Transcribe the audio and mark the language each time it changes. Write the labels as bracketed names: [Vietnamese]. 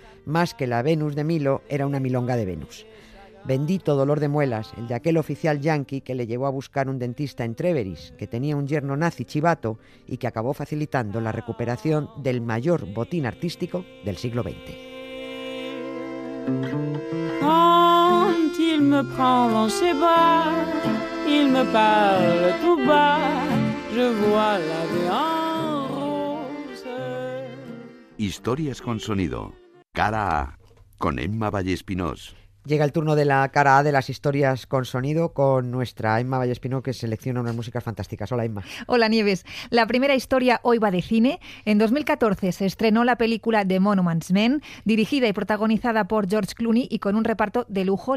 [Spanish] Más que la Venus de Milo, era una milonga de Venus. Bendito dolor de muelas, el de aquel oficial yanqui que le llevó a buscar un dentista en Tréveris, que tenía un yerno nazi chivato y que acabó facilitando la recuperación del mayor botín artístico del siglo XX. [French] Quand il me prend dans ses bras, il me parle tout bas, je vois la vie en rose. [Spanish] Historias con sonido, cara A, con Emma Vallespinós. Llega el turno de la cara A de las historias con sonido con nuestra Emma Vallespino, que selecciona unas músicas fantásticas. Hola, Emma. Hola, Nieves. La primera historia hoy va de cine. En 2014 se estrenó la película The Monuments Men, dirigida y protagonizada por George Clooney y con un reparto de lujo.